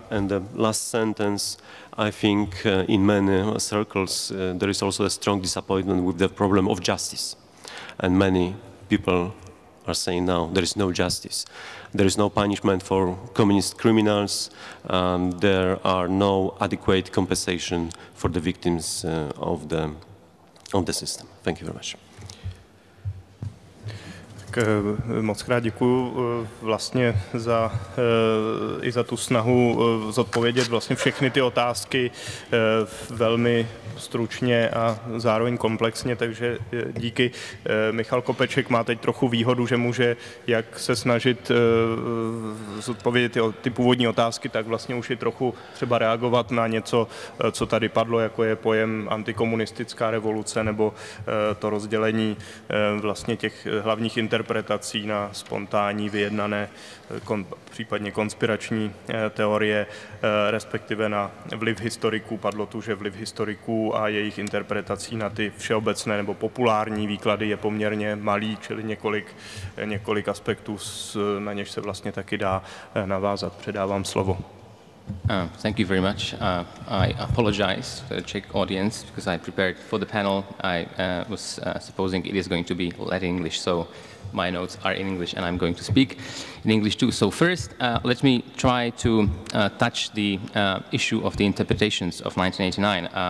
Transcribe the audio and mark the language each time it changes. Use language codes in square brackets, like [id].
[en] And the last sentence, I think in many circles there is also a strong disappointment with the problem of justice. And many people are saying now. There is no justice. There is no punishment for communist criminals. There are no adequate compensation for the victims of the system. Thank you very much. [cs] Moc krát děkuju vlastně za i za tu snahu zodpovědět vlastně všechny ty otázky velmi stručně a zároveň komplexně, takže díky. Michal Kopeček má teď trochu výhodu, že může jak se snažit zodpovědět ty původní otázky, tak vlastně už i trochu třeba reagovat na něco, co tady padlo, jako je pojem antikomunistická revoluce nebo to rozdělení vlastně těch hlavních interpretací na spontánní, vyjednané, případně konspirační teorie, respektive na vliv historiků. Padlo tu, že vliv historiků a jejich interpretací na ty všeobecné nebo populární výklady je poměrně malý, čili několik aspektů, na něž se vlastně taky dá navázat. Předávám slovo. [en] Thank you very much. I apologize to the Czech audience because I prepared for the panel. I was supposing it is going to be let in English, so my notes are in English and I'm going to speak in English too. So first, let me try to touch the issue of the interpretations of 1989.